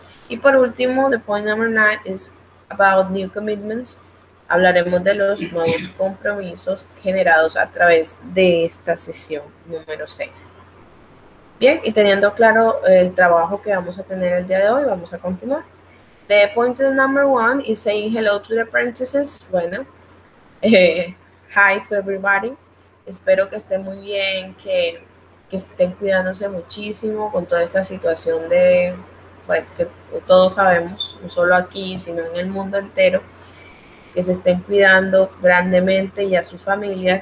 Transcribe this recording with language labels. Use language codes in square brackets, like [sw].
[es] Y por último, [en] the point number 9 is about new commitments. [es] Hablaremos de los nuevos compromisos generados a través de esta sesión número 6. Bien, y teniendo claro el trabajo que vamos a tener el día de hoy, vamos a continuar. [en] The point number 1 is saying hello to the apprentices. Bueno, hi to everybody. [es] Espero que estén muy bien, que estén cuidándose muchísimo con toda esta situación de, bueno, que todos sabemos, no solo aquí, sino en el mundo entero, que se estén cuidando grandemente y a sus familias.